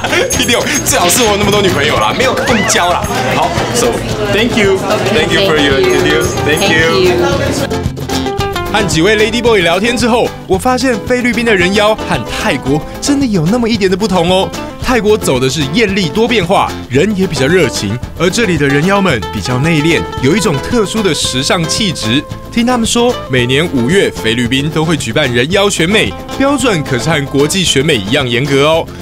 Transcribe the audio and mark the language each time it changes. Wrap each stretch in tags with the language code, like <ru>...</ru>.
<zh>第六，最好是我那么多女朋友啦，没有空交啦。</zh> <en>好 So thank you. Okay, thank you for your interview. Thank you.</en> <zh>和几位 Lady Boy 聊天之后，我发现菲律宾的人妖和泰国真的有那么一点的不同哦。泰国走的是艳丽多变化，人也比较热情，而这里的人妖们比较内敛，有一种特殊的时尚气质。听他们说，每年五月菲律宾都会举办人妖选美，标准可是和国际选美一样严格哦。</zh>